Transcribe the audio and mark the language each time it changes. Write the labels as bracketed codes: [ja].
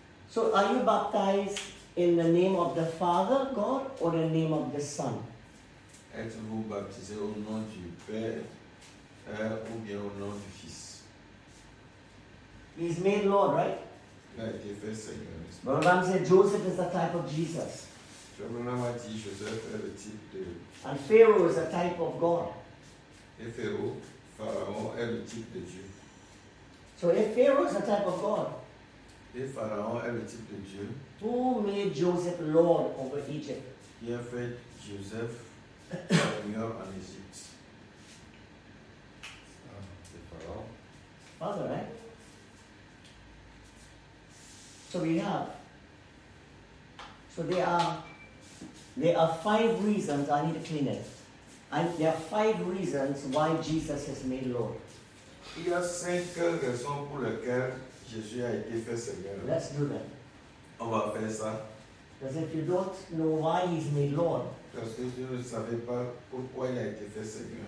[en] So are you baptized in the name of the Father God or the name of the Son? [fr] Êtes-vous baptisé au nom du Père ou bien au nom du Fils? [en] He's made Lord, right? [fr] Il a été fait Seigneur. [en] But Abraham said Joseph is the type of Jesus. [fr] Abraham a dit Joseph est le type de. [en] And Pharaoh is a type of God. If Pharaoh, [fr] Pharaon est le type de Dieu. [en] So if Pharaoh is a type of God. If [fr] Pharaon est le type de Dieu. [en] Who made Joseph Lord over Egypt? [fr] Qui a fait Joseph Seigneur en Égypte? C'est Pharaon. [en] Father, right? So we have. So there are five reasons I need to clean it. And there are five reasons why Jesus is made Lord. [fr] Il y a cinq raisons pour lesquelles Jésus a été fait Seigneur. [en] Let's do that. [fr] On va faire ça. [en] Because if you don't know why he's made Lord, [fr] parce que tu ne savais pas pourquoi il a été fait Seigneur,